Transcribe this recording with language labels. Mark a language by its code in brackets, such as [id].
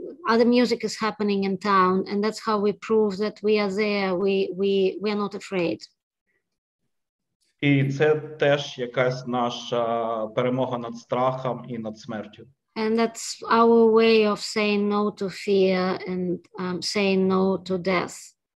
[en] other music is happening in town, and that's how we prove that we are there, we are not afraid. [uk] І це теж якась наша перемога над страхом і над смертю. [en] And that's our way of saying no to fear and saying no to death.